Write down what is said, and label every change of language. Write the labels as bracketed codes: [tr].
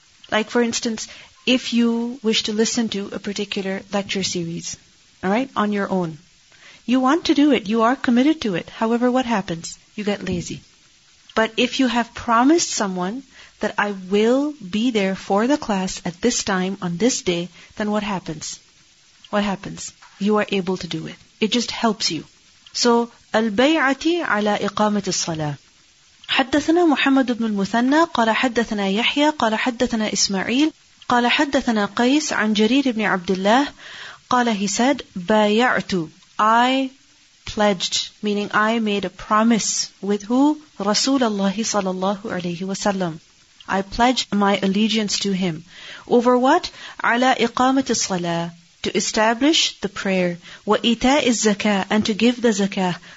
[en] Like for instance, if you wish to listen to a particular lecture series, all right, on your own, you want to do it, you are committed to it. However, what happens? You get lazy. But if you have promised someone that I will be there for the class at this time, on this day, then what happens? What happens? You are able to do it. It just helps you. [ar] So, البيعتي على إقامة الصلاة. حدثنا محمد بن المثنى قال حدثنا يحيى قال حدثنا إسماعيل قال حدثنا قيس عن جرير بن عبد الله قال [en] he said [ar] بايعت. [en] I pledged, meaning I made a promise with who? Rasulullah sallallahu alayhi wa sallam. I pledged my allegiance to him. Over what? Ala iqamati salah, to establish the prayer. Wa ita'i zakah, and to give the zakah.